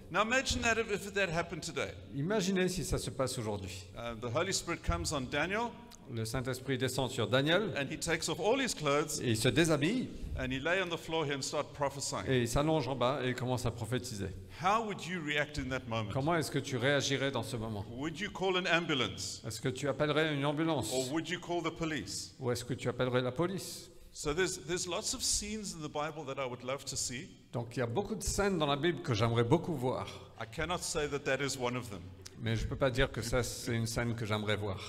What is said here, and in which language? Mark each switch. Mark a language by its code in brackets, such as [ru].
[en] Now imagine that if that happened today. [fr] Imaginez si ça se passe aujourd'hui. [en] The Holy Spirit comes on Daniel. [fr] Le Saint-Esprit descend sur Daniel. [en] And he takes off all his clothes. [fr] Et il se déshabille. [en] And he lay on the floor here and start prophesying. [fr] Et il s'allonge en bas et il commence à prophétiser. [en] How would you react in that moment? [fr] Comment est-ce que tu réagirais dans ce moment? [en] Would you call an ambulance? [fr] Est-ce que tu appellerais une ambulance? [en] Or would you call the police? [fr] Ou est-ce que tu appellerais la police? [en] So there's lots of scenes in the Bible that I would love to see. [fr] Donc il y a beaucoup de scènes dans la Bible que j'aimerais beaucoup voir. [en] I cannot say that is one of them. [fr] Mais je ne peux pas dire que ça, c'est une scène que j'aimerais voir.